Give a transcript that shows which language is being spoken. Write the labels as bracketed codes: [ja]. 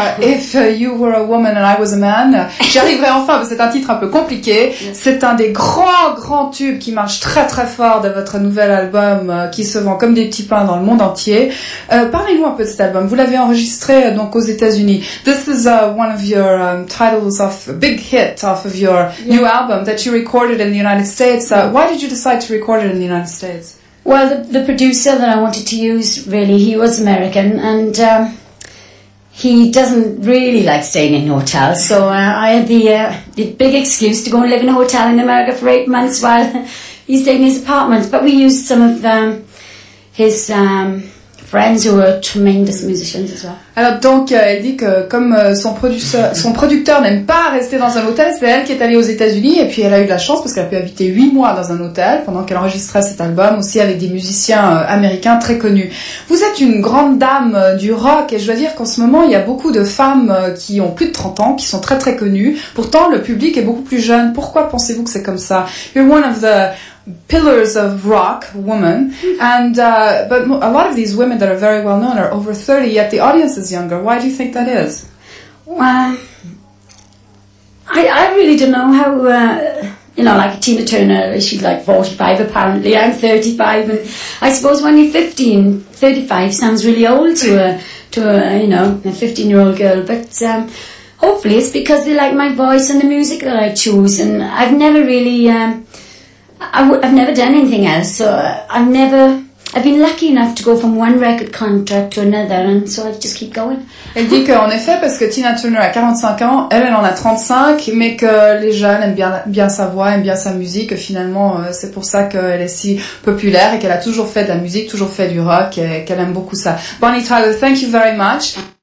[en] If you were a woman and I was a man, [fr] j'arriverai enfin. C'est un titre un peu compliqué. C'est un des grands tubes qui marche très très fort de votre nouvel album qui se vend comme des petits pains dans le monde entier. Parlez-nous un peu de cet album. Vous l'avez enregistré donc aux États-Unis. [en] This is one of your titles of big hit off of your new album that you recorded in the United States. Why did you decide to record it in the United States? Well, the producer that I wanted to use, really, he was American, and he doesn't really like staying in hotels, so I had the big excuse to go and live in a hotel in America for 8 months while he stayed in his apartment. But we used some of his friends who were tremendous musicians as well. [fr] Alors donc, elle dit que comme son producteur n'aime pas rester dans un hôtel, c'est elle qui est allée aux États-Unis et puis elle a eu de la chance parce qu'elle a pu habiter 8 mois dans un hôtel pendant qu'elle enregistrait cet album aussi avec des musiciens américains très connus. Vous êtes une grande dame du rock et je dois dire qu'en ce moment, il y a beaucoup de femmes qui ont plus de 30 ans, qui sont très très connues. Pourtant, le public est beaucoup plus jeune. Pourquoi pensez-vous que c'est comme ça? [en] You're one of the pillars of rock woman, and but a lot of these women that are very well known are over 30, yet the audience is younger. Why do you think that is? Well, I really don't know how, you know, like Tina Turner, she's like 45 apparently. I'm 35, and I suppose when you're 15, 35 sounds really old to a 15 year old girl, but hopefully it's because they like my voice and the music that I choose, and I've never really I've never done anything else, so I've been lucky enough to go from one record contract to another, and so I just keep going. [fr] Elle dit qu'en effet, parce que Tina Turner a 45 ans, elle en a 35, mais que les jeunes aiment bien sa voix, aiment bien sa musique, finalement c'est pour ça qu'elle est si populaire et qu'elle a toujours fait de la musique, toujours fait du rock, et qu'elle aime beaucoup ça. Bonnie Tyler, [en] thank you very much.